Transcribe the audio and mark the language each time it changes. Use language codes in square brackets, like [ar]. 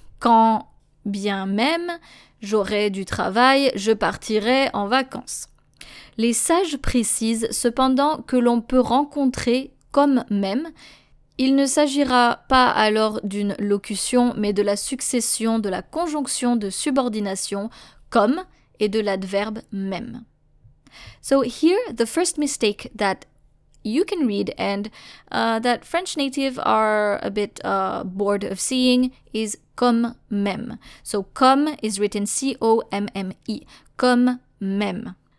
[fr] « Quand bien même, j'aurai du travail, je partirai en vacances. » Les sages précisent cependant que l'on peut rencontrer « comme même » Il ne s'agira pas alors d'une locution, mais de la succession de la conjonction de subordination « comme » et de l'adverbe « même ». ».« [en] So here, the first mistake that you can read and that French native are a bit bored of seeing is [fr] comme même. [en] So comme is written C-O-M-M-E, [fr] comme même.